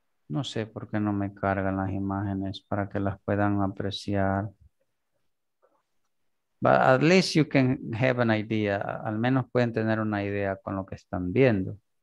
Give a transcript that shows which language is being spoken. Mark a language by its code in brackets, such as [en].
[es] No sé por qué no me cargan las imágenes para que las puedan apreciar. [en] But at least you can have an idea. [es] Al menos pueden tener una idea con lo que están viendo.